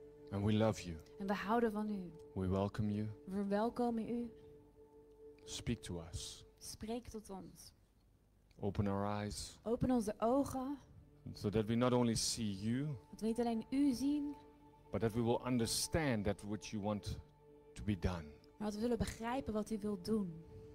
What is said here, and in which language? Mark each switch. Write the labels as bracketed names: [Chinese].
[English] And we love you. [Dutch] En we houden van u. [English] We welcome you. [Dutch] We verwelkomen u. [English] Speak to us. [Dutch] Spreek tot ons. [English] Open our eyes. [Dutch] Open onze ogen. [English] So that we not only see you. [Dutch] Dat we niet alleen u zien. [English] But that we will understand that which you want to be done. [Dutch] Maar dat we zullen begrijpen wat u wilt doen.